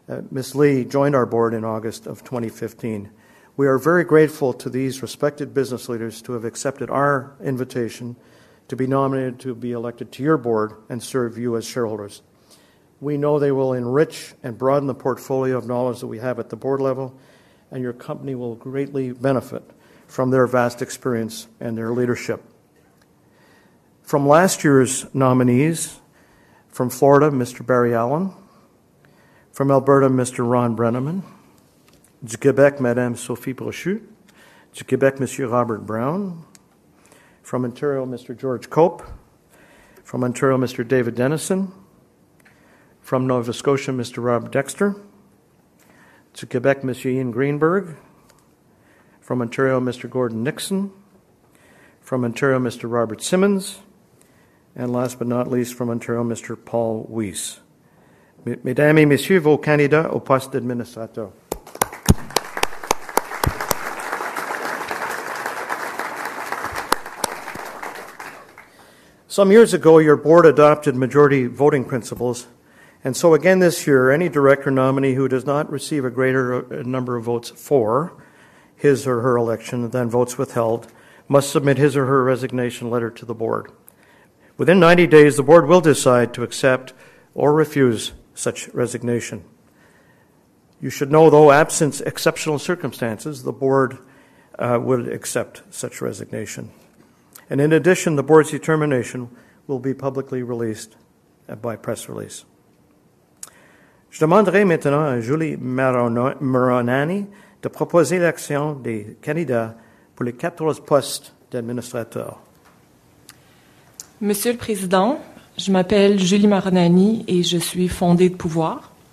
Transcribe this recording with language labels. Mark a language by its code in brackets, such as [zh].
[en] Ms. Lee joined our board in August of 2015. We are very grateful to these respected business leaders to have accepted our invitation to be nominated to be elected to your board and serve you as shareholders. We know they will enrich and broaden the portfolio of knowledge that we have at the board level, and your company will greatly benefit from their vast experience and their leadership. From last year's nominees, from Florida, Mr. Barry Allen. From Alberta, Mr. Ron Brenneman. [fr] Du Québec, Madame Sophie Brochu. Du Québec, Monsieur Robert Brown. [en] From Ontario, Mr. George Cope. From Ontario, Mr. David Dennison. From Nova Scotia, Mr. Rob Dexter. To Quebec, Mr. Ian Greenberg. From Ontario, Mr. Gordon Nixon. From Ontario, Mr. Robert Simmons. And last but not least, from Ontario, Mr. Paul Weiss. [fr] Mesdames et messieurs, vos candidats au poste d'administrateur. [en] Some years ago, your board adopted majority voting principles, and so again this year, any director nominee who does not receive a greater number of votes for his or her election than votes withheld must submit his or her resignation letter to the board. Within 90 days, the board will decide to accept or refuse such resignation. You should know, though, absent exceptional circumstances, the board would accept such resignation. And in addition, the board's determination will be publicly released by press release. [fr] Je demanderai maintenant à Julie Maronani de proposer l'action des candidats pour les 14 postes d'administrateur. Monsieur le Président, je m'appelle Julie Maronani et je suis fondée de pouvoir.